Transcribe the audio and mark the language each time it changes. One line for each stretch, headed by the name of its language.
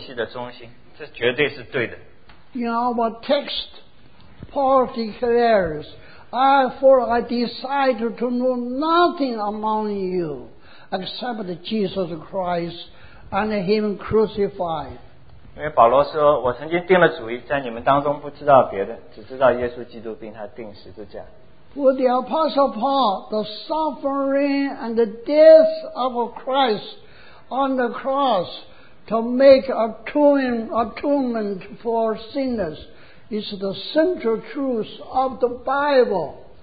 Chinese: 这个首相他所强调的就是耶稣基督并他钉十字架是我们一切信息的中心，这绝对是对的。
English: In our text, Paul declares, I decide to know nothing among you except Jesus Christ and Him crucified.
Chinese: 因为保罗说，我曾经定了主意，在你们当中不知道别的，只知道耶稣基督并他钉十字架。
English: For the Apostle Paul, the suffering and the death of Christ on the cross to make atonement for sinners is the central truth of the Bible.